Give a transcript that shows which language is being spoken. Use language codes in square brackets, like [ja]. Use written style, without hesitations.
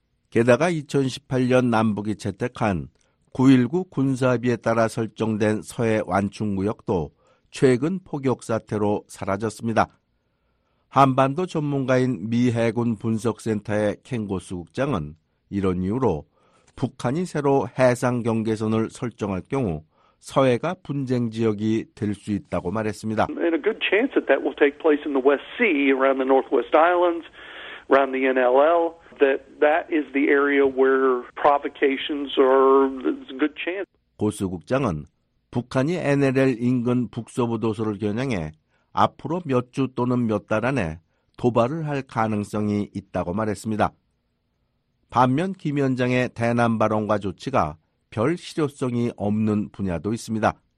[ko] 게다가 2018년 남북이 채택한 9.19 군사합의에 따라 설정된 서해 완충구역도 최근 폭격 사태로 사라졌습니다. 한반도 전문가인 미 해군 분석센터의 켄고스 국장은 이런 이유로 북한이 새로 해상 경계선을 설정할 경우 서해가 분쟁 지역이 될 수 있다고 말했습니다. [en] And a good chance that will take place in the West Sea around the Northwest Islands. Around the NLL, that is the area where provocations are a good chance. [ko] 고스 국장은 북한이 NLL 인근 북서부 도서를 겨냥해 앞으로 몇 주 또는 몇 달 안에 도발을 할 가능성이 있다고 말했습니다. 반면 김 위원장의 대남 발언과 조치가 별 실효성이 없는 분야도 있습니다.